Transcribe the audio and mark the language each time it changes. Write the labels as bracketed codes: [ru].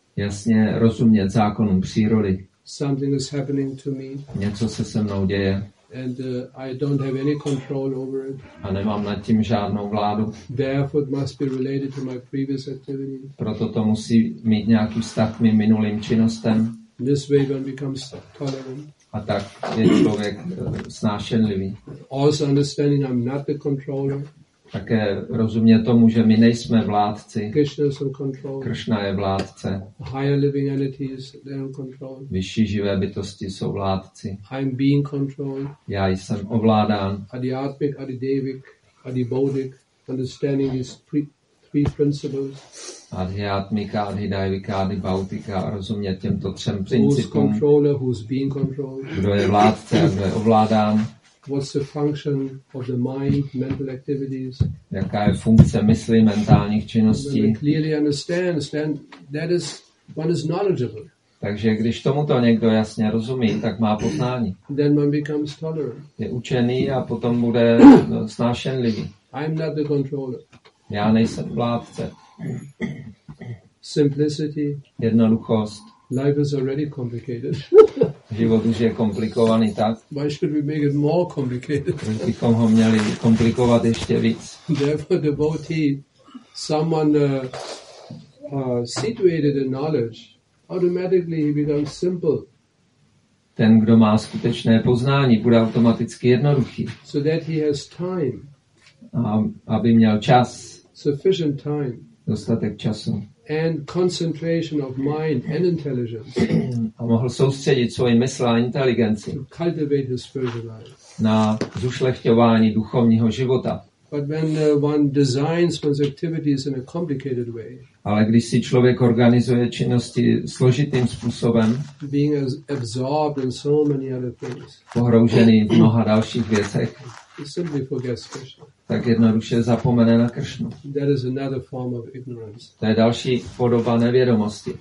[cs] Jasně rozumět zákonům přírody. [en] Something is happening to me. [cs] Něco se se mnou děje. [en] And I don't have any control over it. [cs] A nemám nad tím žádnou vládu. [en] Therefore it must be related to my previous activity. [cs] Proto to musí mít nějaký vztah k mým minulým činnostem. [en] This way one becomes tolerant. [cs] a tak je člověk snášenlivý. [en] Also understanding I'm not the controller. [cs] Také rozumět tomu, že my nejsme vládci. [en] Krishna is in control. [cs] Krishna je vládce. [en] Higher living entities, they are in control. [cs] Vyšší živé bytosti jsou vládci. [en] I'm being controlled. [cs] Já jsem ovládán. [en] Adiatmik, adidevik, adibodhik, understanding these three principles. [cs] Adhyatmika, adhidaivika, adibautika, rozumět těmto třem principům. [en] Who's controller, who's being controlled. [cs] Kdo je vládce a kdo je ovládán. [en] What's the function of the mind, mental activities? [cs] Jaká je funkce mysli, mentálních činností? [en] When we clearly understand, then that is one is knowledgeable. [cs] Takže když tomuto někdo jasně rozumí, tak má poznání. [en] Then one becomes tolerant. [cs] Je učený a potom bude snášenlivý. [en] I'm not the controller. [cs] Já nejsem vládce. [en] Simplicity. [cs] Jednoduchost. [en] Life is already complicated. [cs] Život už je komplikovaný tak. [en] Why should we make it more complicated? [cs] Bychom ho měli komplikovat ještě víc. [en] Therefore, devotee, someone situated in knowledge, automatically he becomes simple. [cs] Ten, kdo má skutečné poznání, bude automaticky jednoduchý. [en] So that he has time. [cs] Aby měl čas. [en] Sufficient time. [cs] Dostatek času. [en] And concentration of mind and intelligence. [cs] A mohl soustředit svoji mysl a inteligenci. [en] To cultivate his spiritual life. [cs] Na zušlechťování duchovního života. [en] But when one designs one's activities in a complicated way. [cs] Ale když si člověk organizuje činnosti složitým způsobem. [en] Being as absorbed in so many other things. [cs] Pohroužený v mnoha dalších věcech. [en] He simply forgets Krishna. [cs] Tak jednoduše zapomene na Kršnu. [en] That is another form of ignorance. [cs] To je další podoba nevědomosti.